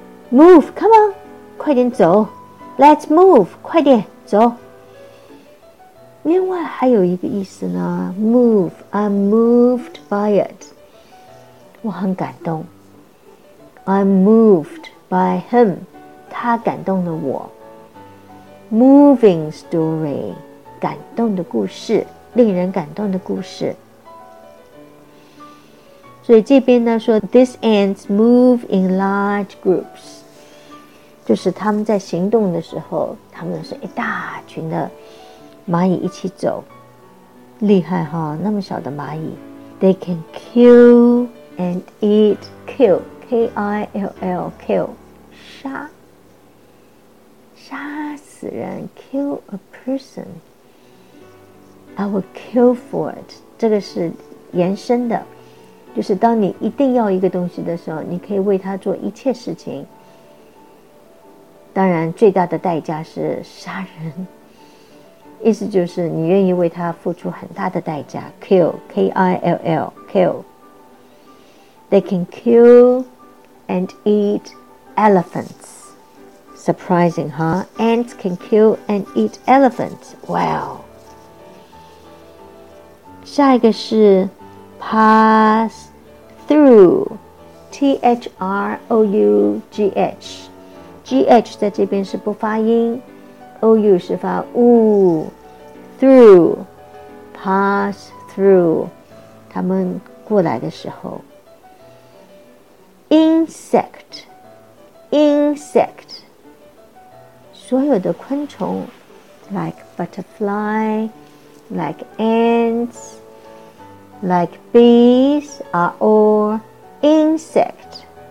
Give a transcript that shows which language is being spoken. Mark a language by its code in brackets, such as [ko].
[en] Move come on [zh] 快点走 [en] Let's move 快点走另外还有一个意思呢 Move I'm moved by it [zh] 我很感动 [en] I'm moved by him [zh] 他感动了我 [en] Moving story, [zh] 感动的故事，令人感动的故事。所以这边呢说 , [en] these ants move in large groups, [zh] 就是他们在行动的时候，他们是一大群的蚂蚁一起走。厉害哈，那么小的蚂蚁。 [en] They can kill and eat, kill, K-I-L-L, kill, [zh] 杀。死人 [en] kill a person, I will kill for it. [zh] 这个是延伸的，就是当你一定要一个东西的时候，你可以为它做一切事情。当然最大的代价是杀人，意思就是你愿意为他付出很大的代价。 [en] kill, K-I-L-L, kill. They can kill and eat elephants. Surprising, huh? Ants can kill and eat elephants. Wow. [zh] 下一个是 pass through, T-H-R-O-U-G-H. G-H 在这边是不发音， O-U 是发 U。 [en] Through, pass through, [zh] 他们过来的时候。 [en] Insect, insect, [zh] 所有的昆虫 [en] like butterfly, like ants, like bees are all insect.